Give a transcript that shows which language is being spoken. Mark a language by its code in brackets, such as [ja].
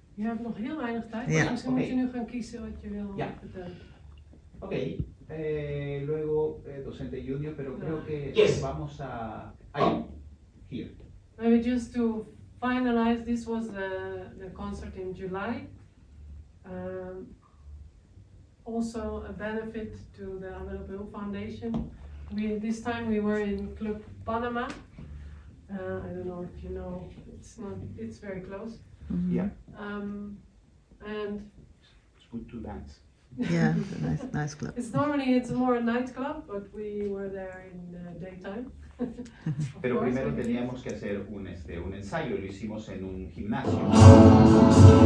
[nl] Je hebt nog heel weinig tijd, maar misschien moet je nu gaan kiezen wat je wil vertellen. [es] Oké, luego docente junior, pero creo que vamos a... [en] Here. Maybe just to finalize, this was the concert in July. Also a benefit to the Abel Bill Foundation. This time we were in Club Panama. I don't know if you know, it's very close. Mm-hmm. Yeah. And it's good to dance. Yeah, nice club. It's normally, it's more a nightclub, but we were there in the daytime. [es] Pero primero teníamos que hacer un ensayo, lo hicimos en un gimnasio.